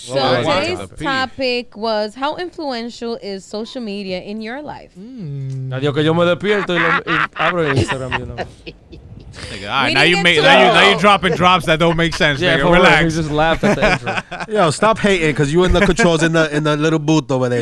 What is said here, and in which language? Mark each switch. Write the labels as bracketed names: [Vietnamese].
[English] So today's topic was, how influential is social media in your life? [Spanish] Adiós que yo me despierto y abro Instagram. [English] Now you're dropping drops that don't make sense. Yeah, nigga, relax. He just laughed at the intro. Yo, stop hating, cause you in the controls in the little booth over there.